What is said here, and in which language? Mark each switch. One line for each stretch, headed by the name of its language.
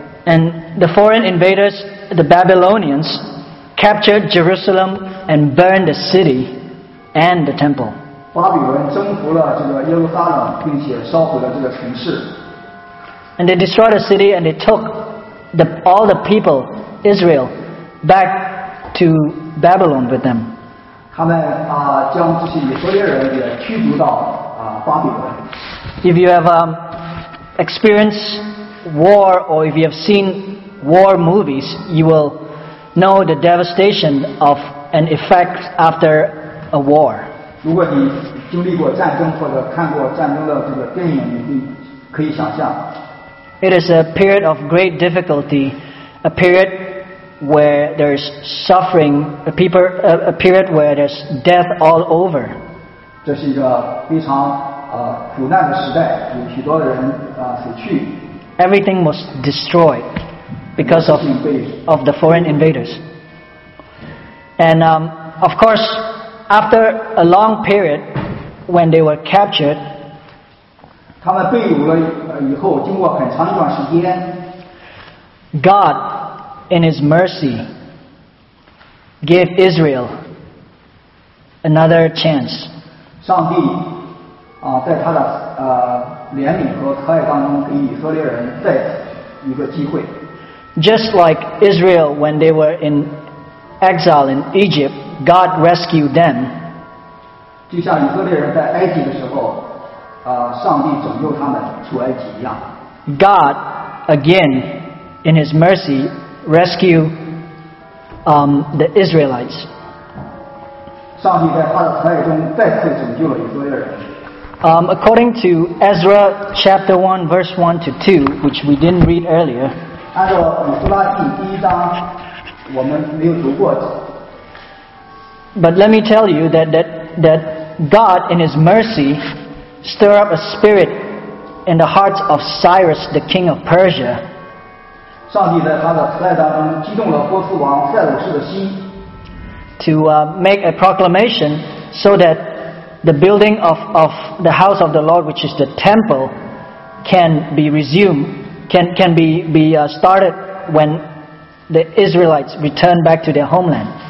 English: And the foreign invaders, the Babylonians, captured Jerusalem and burned the city and the temple.
Chinese: 巴比伦征服了这个耶路撒冷，并且烧毁了这个城市。
English: And they destroyed the city and they took all the people, Israel, back. To Babylon with them.
Chinese: 他们将这些以色列人也驱逐到巴比伦。
English: If you have experienced war or if you have seen war movies, you will know the devastation of an effect after a war.
Chinese: 如果你经历过战争或者看过战争的这个电影，你可以想象。
English: It is a period of great difficulty, a period. Where there's suffering, a period where there's death all over.
Chinese: 这是一个非常苦难的时代，有许多的人死去。
English: Everything was destroyed because of the foreign invaders. And of course, after a long period, when they were captured,
Chinese: 他们被掳了以后，经过很长一段时间
English: God. In his mercy, gave Israel another chance.
Chinese: 上帝在他的怜悯和慈爱当中给以色列人再一个机会。
English: Just like Israel when they were in exile in Egypt, God rescued them.
Chinese: 就像以色列人在埃及的时候，上帝拯救他们出埃及一样。
English: God again in his mercy. Rescue the Israelites.
Chinese: 上帝在他的慈爱中再次拯救了以色列人。
English: According to Ezra chapter 1 verse 1 to 2, which we didn't read earlier.
Chinese: 按照以弗拉记第一章，我们没有读过。
English: But let me tell you that God in His mercy stir up a spirit in the hearts of Cyrus the king of Persia.
Chinese: 上帝在他的慈爱当中激动了波斯王塞鲁士的心
English: to make a proclamation so that the building of the house of the Lord which is the temple can be resumed can be started when the Israelites return back to their homeland